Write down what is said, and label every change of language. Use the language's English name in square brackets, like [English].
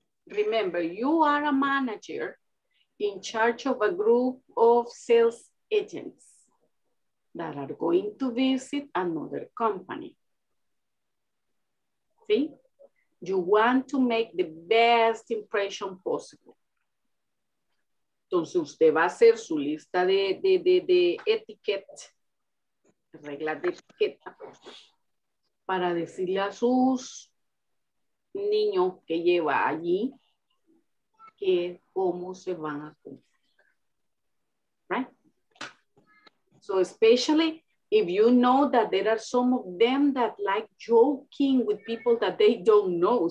[English] Remember, you are a manager in charge of a group of sales agents that are going to visit another company. See? You want to make the best impression possible. [Spanish] Entonces, usted va a hacer su lista de etiqueta, reglas de etiqueta, para decirle a sus niños que lleva allí que cómo se van a comportar. [English] Right? So especially if you know that there are some of them that like joking with people that they don't know.